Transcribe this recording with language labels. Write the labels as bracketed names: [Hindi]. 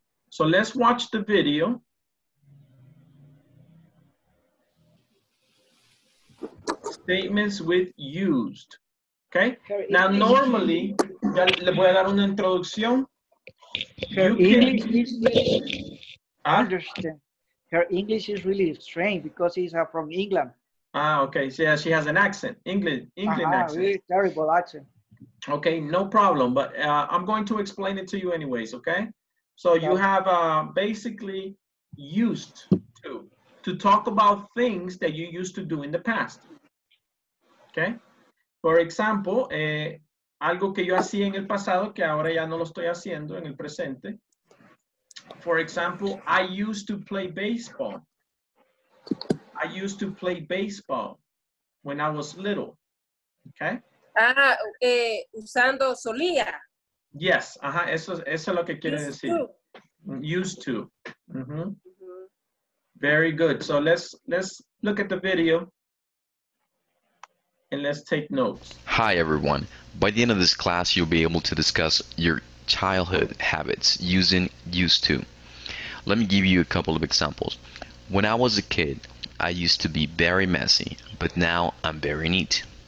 [English] So let's watch the video. Statements with used. Okay? Now normally, [Spanish] ya le voy a dar una introducción. [English] Her English is really interesting. Her English is really strange because she's from England. Ah, okay. So, yeah, she has an accent. England accent. Really terrible accent. Okay, no problem. But I'm going to explain it to you anyways, okay? So you have basically used to talk about things that you used to do in the past. Okay? For example, [Spanish] algo que yo hacía en el pasado que ahora ya no lo estoy haciendo en el presente. [English] For example, I used to play baseball. I used to play baseball when I was little. Okay? [Spanish] Ah, usando solía. [English] Yes, [Spanish] ajá, eso es lo que quiere decir. [English] Used to. Mm-hmm. Very good. So let's look at the video and let's take notes. Hi everyone. By the end of this class, you'll be able to discuss your childhood habits using used to. Let me give you a couple of examples. When I was a kid, I used to be very messy, but now I'm very neat.